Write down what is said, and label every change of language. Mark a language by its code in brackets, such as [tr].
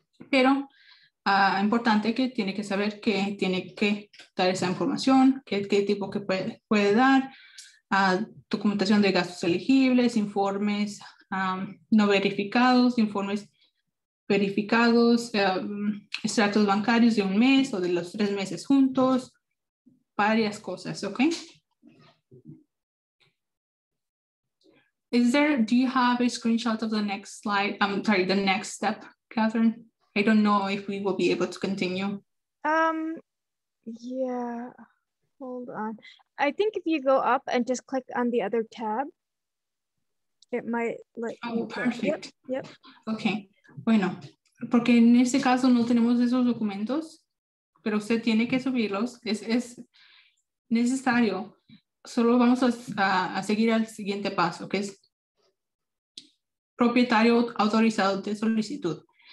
[es] Pero importante que tiene que saber que tiene que dar esa información, qué tipo que puede dar, documentación de gastos elegibles, informes no verificados, informes verificados, extractos bancarios de un mes o de los 3 meses juntos, varias cosas, ¿ok? [en] Do you have a screenshot of the next slide? I'm sorry, the next step, Catherine. I don't know if we will be able to continue. Yeah, hold on. I think if you go up and just click on the other tab, it might let you. Oh, perfect. Yep. [es] Okay, bueno, porque en este caso no tenemos esos documentos, pero usted tiene que subirlos, es necesario. Solo vamos a seguir al siguiente paso, que es propietario autorizado de solicitud.